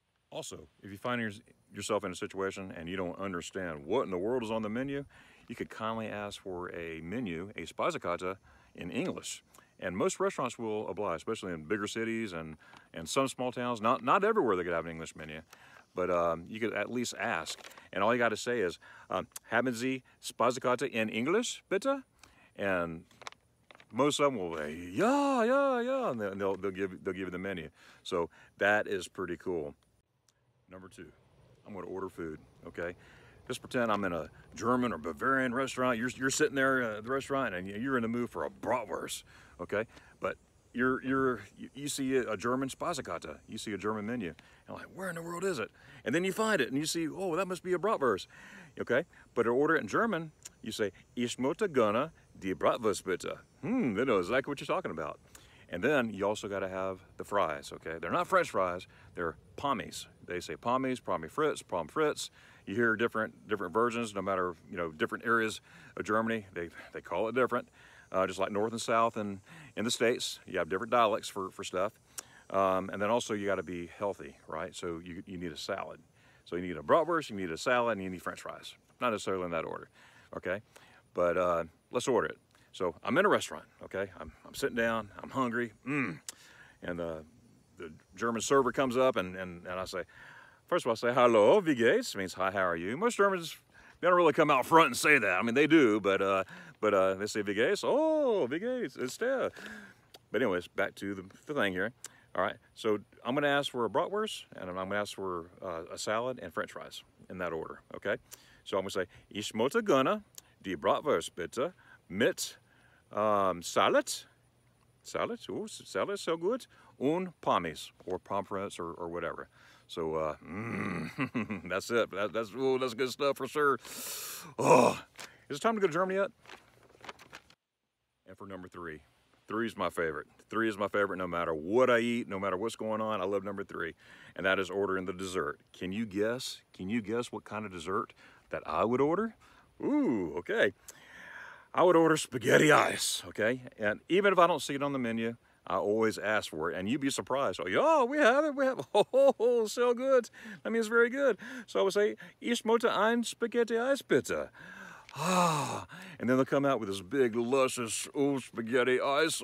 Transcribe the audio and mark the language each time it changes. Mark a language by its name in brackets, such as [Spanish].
[English] Also, if you find yourself in a situation and you don't understand what in the world is on the menu, you could kindly ask for a menu, a Speisekarte, in English. And most restaurants will oblige, especially in bigger cities and some small towns. Not everywhere they could have an English menu, but you could at least ask. And all you got to say is, [German] haben Sie Speisekarte in English, bitte? [English] And most of them will say, yeah, and they'll give you the menu. So that is pretty cool. Number two, I'm gonna order food, okay? Just pretend I'm in a German or Bavarian restaurant. You're sitting there at the restaurant and you're in the mood for a Bratwurst, okay? But you see a German Speisekarte, you see a German menu, and you're like, where in the world is it? And then you find it and you see, oh, that must be a Bratwurst, okay? But to order it in German, you say, [German] ich möchte gerne die Bratwurst bitte. [English] They know exactly what you're talking about. And then you also got to have the fries, okay? They're not French fries, they're Pommes. They say Pommes, Pommes Frittes, Pommes Frittes. You hear different versions, no matter, different areas of Germany, they call it different. Just like North and South and in the States, you have different dialects for stuff. And then also you got to be healthy, right? So you need a salad. So you need a Bratwurst, you need a salad, and you need French fries. Not necessarily in that order, okay? But let's order it. So I'm in a restaurant, okay? I'm sitting down, I'm hungry, and the German server comes up and I say, first of all, I say, hello, [German] wie geht's? [English] Means, hi, how are you? Most Germans, they don't really come out front and say that. I mean, they do, but they say, [German] wie geht's? Oh, wie geht's? [English] It's there. But anyways, back to the thing here. All right, so I'm gonna ask for a Bratwurst and I'm gonna ask for a salad and French fries in that order, okay? So I'm gonna say, [German] ich möchte gerne die Bratwurst bitte mit Salat, [English] oh, Salat, so good, [German] und Pommes, [English] or Pommes or whatever. So, that's it, that's good stuff for sure. Oh, is it time to go to Germany yet? And for number three, three is my favorite no matter what I eat, no matter what's going on, I love number three, and that is ordering the dessert. Can you guess what kind of dessert that I would order? Ooh, okay. I would order spaghetti ice, okay? And even if I don't see it on the menu, I always ask for it. And you'd be surprised. Oh, yeah, we have it. So good. That means very good. So I would say, [German] ich möchte ein Spaghetti Eis bitte. [English] Ah, and then they'll come out with this big, luscious, ooh, spaghetti ice.